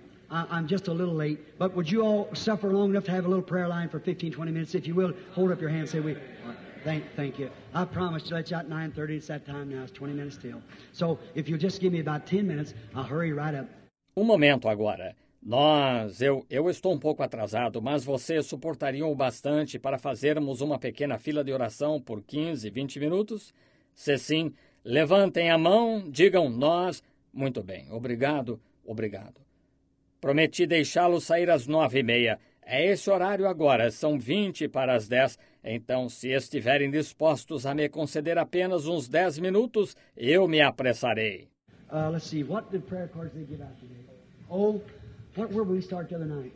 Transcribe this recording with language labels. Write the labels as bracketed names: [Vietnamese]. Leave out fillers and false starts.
[English] I'm just a little late, but would you all suffer long enough to have a little prayer line for 15, 20 minutes? If you will, hold up your hand and say, thank you. I promised to let you out at 9:30. It's that time now. It's 20 minutes still. So if you'll just give me about 10 minutes, I'll hurry right up. [Portuguese] Um momento agora. Eu estou um pouco atrasado, mas vocês suportariam o bastante para fazermos uma pequena fila de oração por 15, 20 minutos? Se sim, levantem a mão, digam nós. Muito bem. Obrigado. Prometi deixá-lo sair às 9:30. É esse horário agora, são 9:40. Então, se estiverem dispostos a me conceder apenas uns 10 minutos, eu me apressarei. [English] Let's see, what did prayer cards they give out today? Oh, what were we start the other night?